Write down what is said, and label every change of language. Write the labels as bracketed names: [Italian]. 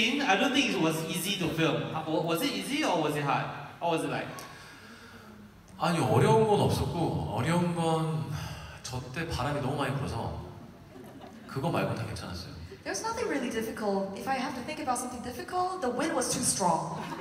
[English] I don't think it was easy to film. Was it easy or was it hard? How was it like? [Korean] 아니 어려운 건 없었고 어려운 건 저때 바람이 너무 많이 불어서 그거 말고 다 괜찮았어요. [English] There's nothing really difficult. If I have to think about something difficult, the wind was too strong.